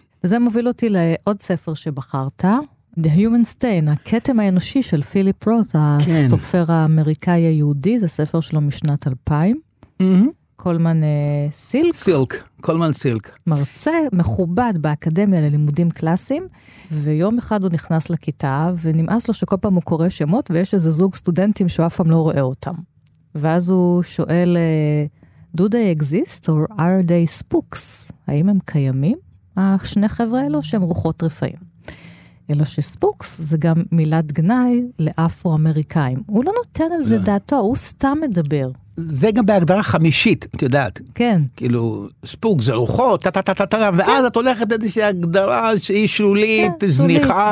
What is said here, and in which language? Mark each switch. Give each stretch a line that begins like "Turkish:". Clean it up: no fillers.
Hebrew: וזה מוביל אותי לעוד ספר שבחרת, The Human Stain, הכתם האנושי של פיליפ רות, הסופר האמריקאי היהודי, זה ספר שלו משנת 2000. קולמן סילק. סילק, קולמן סילק. מרצה מכובד באקדמיה ללימודים קלאסיים, ויום אחד הוא נכנס לכיתה, ונמאס לו שכל פעם הוא קורא שמות, ויש איזה זוג סטודנטים שהוא אף פעם לא רואה אותם. ואז הוא שואל,
English: do they exist or are they spooks?
Hebrew: האם הם קיימים? השני חבר'ה האלו שהם רוחות רפאים. אלא שספוקס זה גם מילת גנאי לאפרו-אמריקאים. הוא לא נותן על זה דעתו, הוא סתם מדבר. זה גם בהגדרה חמישית, את יודעת. כן. כאילו, ספוק זה רוחות, טה-טה-טה-טה-טה, ואז את הולכת איזושהי הגדרה שהיא שולית, זניחה.